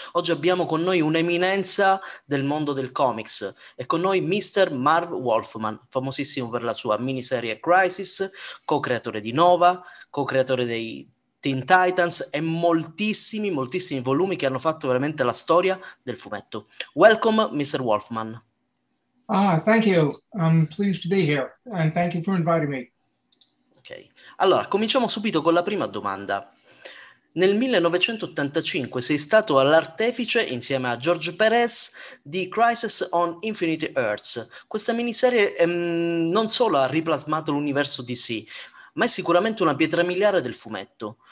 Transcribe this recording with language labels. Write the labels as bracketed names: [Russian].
[Italian] Oggi abbiamo con noi un'eminenza del mondo del comics, è con noi Mr. Marv Wolfman, famosissimo per la sua miniserie Crisis, co-creatore di Nova, co-creatore dei Teen Titans e moltissimi, moltissimi volumi che hanno fatto veramente la storia del fumetto. [English] Welcome, Mr. Wolfman. Ah, thank you. I'm pleased to be here and thank you for inviting me. [Italian] Ok, allora cominciamo subito con la prima domanda. Nel 1985 sei stato all'artefice insieme a George Perez di Crisis on Infinite Earths. Questa miniserie non solo ha riplasmato l'universo DC, ma è sicuramente una pietra miliare del fumetto.